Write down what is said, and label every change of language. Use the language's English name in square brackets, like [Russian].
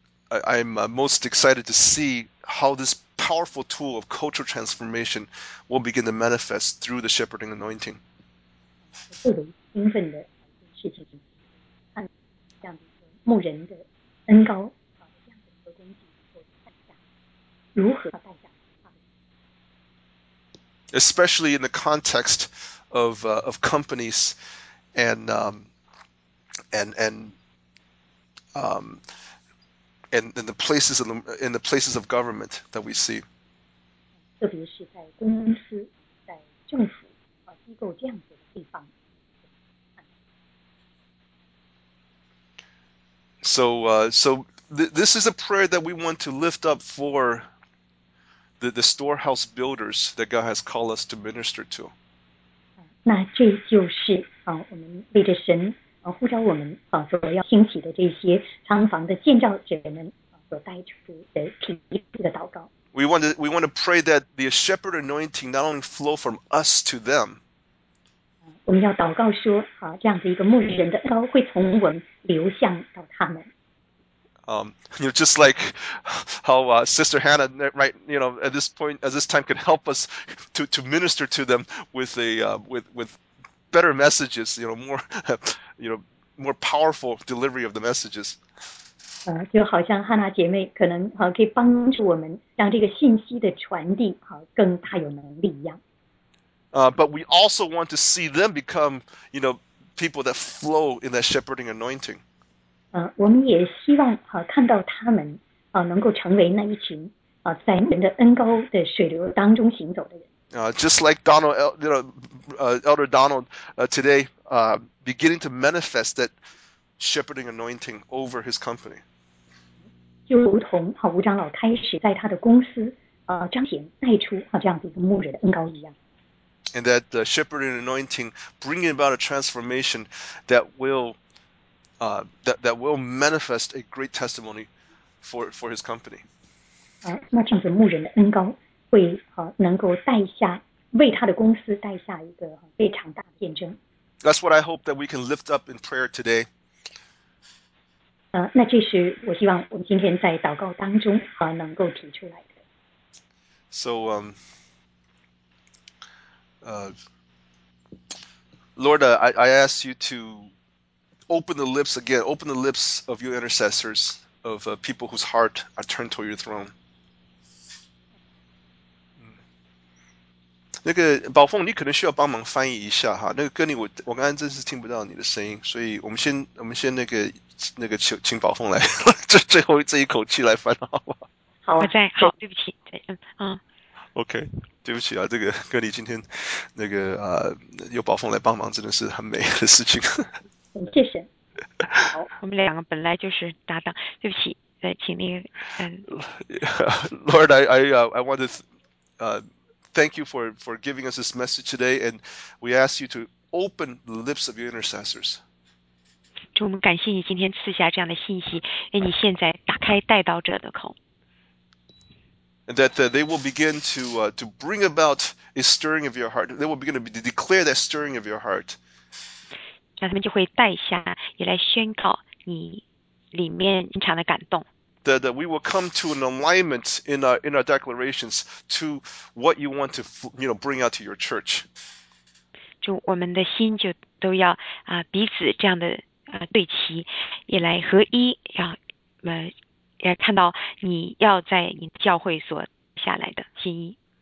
[English] And I'm most excited to see how this powerful tool of cultural transformation will begin to manifest through the shepherding anointing. [Chinese] 最为兴奋的事情，看这样的牧人的恩膏，这样的一个工具，我看一下如何带下。 [English] Especially in the context of companies and in the places of the, in the places of government that we see. [Chinese] 特别是在公司、在政府和机构这样子的地方。 [English] So this is a prayer that we want to lift up for. The storehouse builders that God has called us to minister to. [Chinese] 那这就是我们为着神呼召我们所要兴起的这些仓房的建造者们所带出的提出的祷告。 [English] We want to pray that the shepherd anointing not only flow from us to them. [Chinese] 我们要祷告说这样的一个牧人的膏会从我们流向到他们。 [English] You know, just like how Sister Hannah, right? You know, at this point, at this time, could help us to minister to them with a with better messages. You know, more powerful delivery of the messages. [Chinese] 就好像汉娜姐妹可能可以帮助我们让这个信息的传递更大有能力一样。 [English] But we also want to see them become, you know, people that flow in that shepherding anointing. [Chinese] 我们也希望看到他们能够成为那一群在人的恩膏的水流当中行走的人。 [English] Just like Donald, you know, Elder Donald, today, beginning to manifest that shepherding anointing over his company. [Chinese] 就如同吴长老开始在他的公司彰显带出这样的一个牧人的恩膏一样。 [English] And that the shepherding anointing bringing about a transformation that will. That will manifest a great testimony for his company. [Chinese] 那这样子牧人的恩膏会能够带下为他的公司带下一个非常大的见证。 [English] That's what I hope that we can lift up in prayer today. [Chinese] 那这是我希望我们今天在祷告当中能够提出来的。 [English] So, Lord, I ask you to. Open the lips again. Open the lips of your intercessors, of people whose heart are turned toward your throne. [Chinese] 那个宝凤，你可能需要帮忙翻译一下哈。那个歌里我刚刚真是听不到你的声音，所以我们先那个请宝凤来最后这一口气来翻，好吧？好，我在。好，对不起，对， OK， 对不起啊，这个歌里今天那个有宝凤来帮忙，真的是很美的事情。谢谢。好，我们两个本来就是搭档，对不起，请那个 [English] Lord, I want to thank you for giving us this message today, and we ask you to open the lips of your intercessors. [Chinese] 主，我们感谢你今天赐下这样的信息，愿你现在打开代祷者的口。 [English] And that they will begin to bring about a stirring of your heart. They will begin to declare that stirring of your heart. [Chinese] 那他们就会带下，也来宣告你里面隐藏的感动。 [English] That we will come to an alignment in our declarations to what you want to, you know, bring out to your church. [Chinese] 就我们的心就都要彼此这样的对齐，也来合一，要看到你要在你教会所下来的心意。